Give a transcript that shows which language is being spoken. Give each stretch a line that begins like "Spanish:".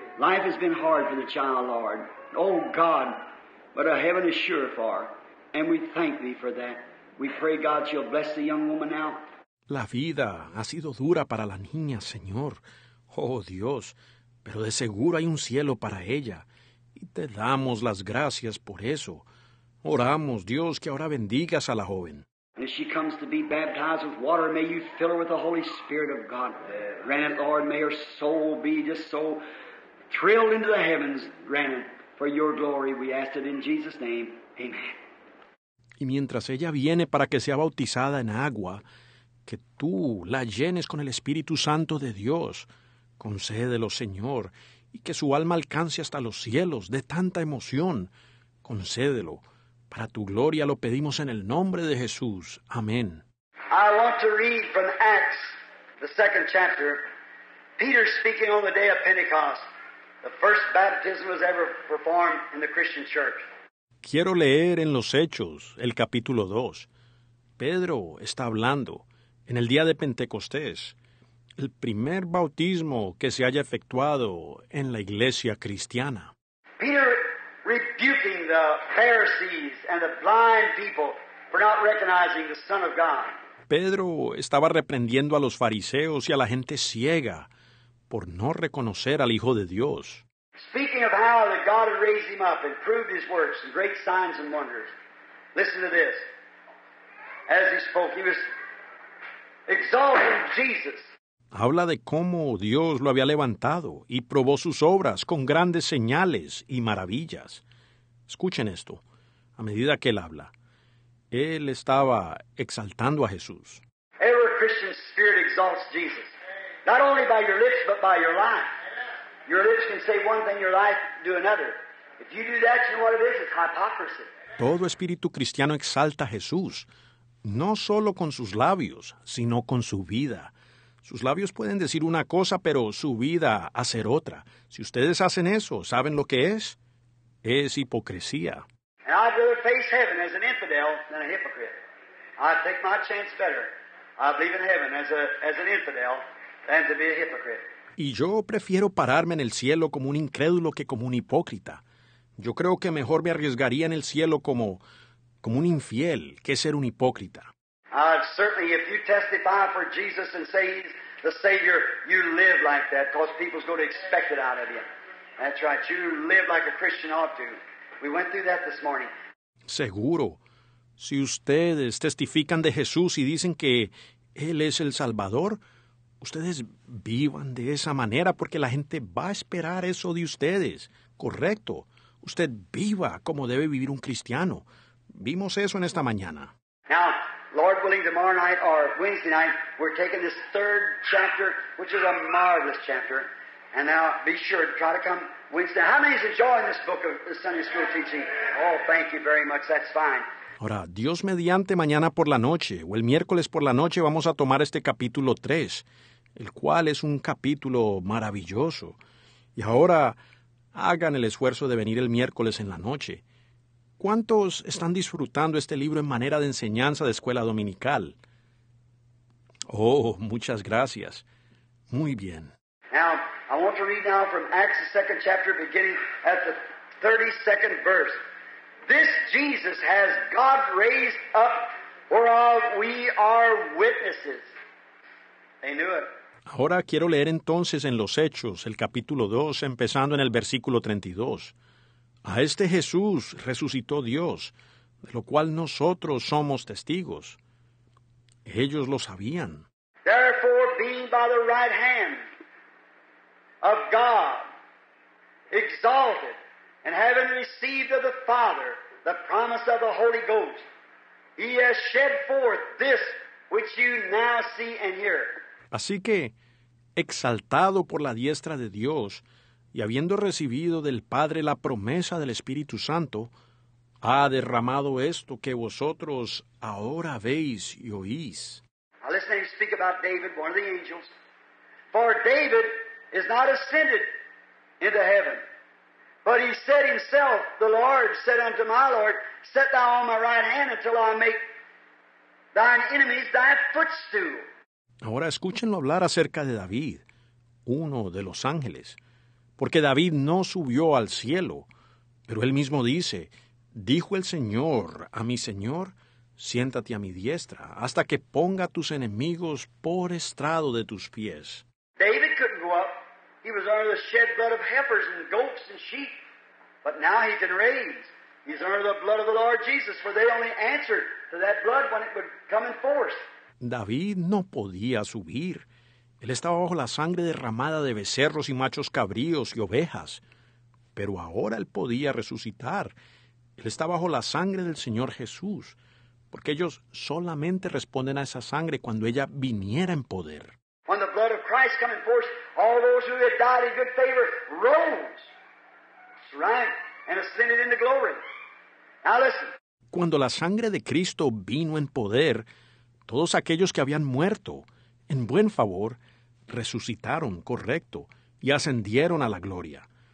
English: Life has been hard for the child, Lord. Oh, God, but a heaven is sure for. And we thank thee for that. We pray, God, she'll bless the young woman now.
Spanish: La vida ha sido dura para la niña, Señor. Oh, Dios, pero de seguro hay un cielo para ella. Y te damos las gracias por eso. Oramos, Dios, que ahora bendigas a la joven.
English: And if she comes to be baptized with water, may you fill her with the Holy Spirit of God. Grant it, Lord, may her soul be just so thrilled into the heavens. Grant it for your glory. We ask it in Jesus' name. Amen.
Spanish: Y mientras ella viene para que sea bautizada en agua, que tú la llenes con el Espíritu Santo de Dios. Concédelo, Señor, y que su alma alcance hasta los cielos de tanta emoción. Concédelo. Para tu gloria lo pedimos en el nombre de Jesús. Amén.
English: I want to read from Acts, the second chapter. Peter speaking on the day of Pentecost. The first baptism was ever performed in the Christian church.
Spanish: Quiero leer en los Hechos, el capítulo 2. Pedro está hablando en el día de Pentecostés. El primer bautismo que se haya efectuado en la iglesia cristiana.
English: Peter rebuking the Pharisees and the blind people for not recognizing the Son of God.
Spanish: Pedro estaba reprendiendo a los fariseos y a la gente ciega por no reconocer al Hijo de Dios.
English: Speaking of how that God had raised him up and proved his works and great signs and wonders. Listen to this. As he spoke, he was exalting Jesus.
Spanish: Habla de cómo Dios lo había levantado y probó sus obras con grandes señales y maravillas. Escuchen esto. A medida que él habla, él estaba exaltando a Jesús.
English: Every Christian spirit exalts Jesus. Not only by your lips, but by your life. Your lips can say one thing, your life do another. If you do that, you know what it is? It's hypocrisy.
Spanish: Todo espíritu cristiano exalta a Jesús, no solo con sus labios, sino con su vida. Sus labios pueden decir una cosa, pero su vida hacer otra. Si ustedes hacen eso, ¿saben lo que es? Es hipocresía.
English: And I'd rather face heaven as an infidel than a hypocrite. I'd take my chance better. I believe in heaven as an infidel than to be a hypocrite.
Spanish: Y yo prefiero pararme en el cielo como un incrédulo que como un hipócrita. Yo creo que mejor me arriesgaría en el cielo como un infiel que ser un hipócrita.
English: Certainly, if you testify for Jesus and say he's the Savior, you live like that because people's going to expect it out of you. That's right. You live like a Christian ought to. We went through that this morning.
Spanish: Seguro. Si ustedes testifican de Jesús y dicen que Él es el Salvador, ustedes vivan de esa manera porque la gente va a esperar eso de ustedes. Correcto. Usted viva como debe vivir un cristiano. Vimos eso en esta mañana.
English: Now, Lord willing, tomorrow night or Wednesday night, we're taking this third chapter, which is a marvelous chapter. And now, be sure to try to come Wednesday. How many is enjoying this book of the Sunday school teaching? Oh, thank you very much. That's fine.
Spanish: Ahora, Dios mediante, mañana por la noche, o el miércoles por la noche, vamos a tomar este capítulo 3, el cual es un capítulo maravilloso. Y ahora, hagan el esfuerzo de venir el miércoles en la noche. ¿Cuántos están disfrutando este libro en manera de enseñanza de escuela dominical? Oh, muchas gracias. Muy bien.
English: Now, I want to read now from Acts, the second chapter, beginning at the 32nd verse. This Jesus has God raised up, whereof we are witnesses. They knew it.
Spanish: Ahora quiero leer entonces en los Hechos, el capítulo 2, empezando en el versículo 32. A este Jesús resucitó Dios, de lo cual nosotros somos testigos. Ellos lo sabían.
English: Therefore, being by the right hand of God, exalted, and having received of the Father the promise of the Holy Ghost, he has shed forth this which you now see and hear.
Spanish: Así que, exaltado por la diestra de Dios, y habiendo recibido del Padre la promesa del Espíritu Santo, ha derramado esto que vosotros ahora veis y oís.
English: Now listen to him speak about David, one of the angels. For David is not ascended into heaven, but he said himself, the Lord said unto my Lord, set thou on my right hand until I make thine enemies thy footstool.
Spanish: Ahora escúchenlo hablar acerca de David, uno de los ángeles. Porque David no subió al cielo, pero él mismo dice, dijo el Señor a mi Señor, siéntate a mi diestra, hasta que ponga a tus enemigos por estrado de tus pies.
English: David couldn't go up. He was under the shed blood of heifers and goats and sheep. But now he can raise. He's under the blood of the Lord Jesus, for they only answered to that blood when it would come in force.
Spanish: David no podía subir. Él estaba bajo la sangre derramada de becerros y machos cabríos y ovejas. Pero ahora él podía resucitar. Él está bajo la sangre del Señor Jesús, porque ellos solamente responden a esa sangre cuando ella viniera en poder.
English: When the blood of Christ came forth, all those who had died in good favor rose. That's right. And ascended into glory. Now listen.
Spanish: Cuando la sangre de Cristo vino en poder, todos aquellos que habían muerto, en buen favor, resucitaron, correcto, y ascendieron a la gloria.